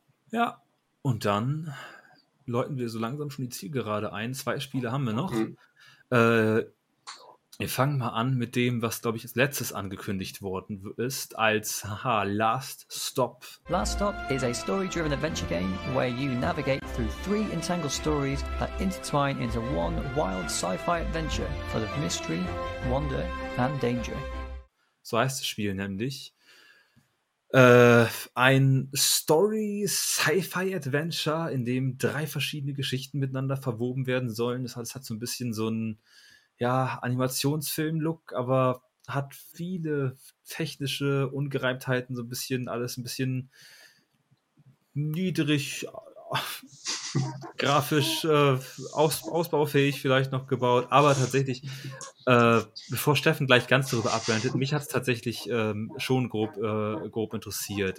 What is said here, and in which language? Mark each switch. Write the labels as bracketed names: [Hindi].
[German] Ja. Und dann läuten wir so langsam schon die Zielgerade ein. Zwei Spiele haben wir noch. Wir fangen mal an mit dem, was, glaube ich, als letztes angekündigt worden ist, als Last Stop. [English] Last Stop is a story-driven adventure game where you navigate through three entangled stories that intertwine into one wild sci-fi adventure full of mystery, wonder and danger. [German] So heißt das Spiel nämlich. Ein Story-Sci-Fi-Adventure, in dem drei verschiedene Geschichten miteinander verwoben werden sollen. Das hat so ein bisschen so einen, ja, Animationsfilm-Look, aber hat viele technische Ungereimtheiten, so ein bisschen alles ein bisschen niedrig grafisch ausbaufähig vielleicht noch gebaut, aber tatsächlich, bevor Steffen gleich ganz darüber abrantet, mich hat es tatsächlich schon grob interessiert.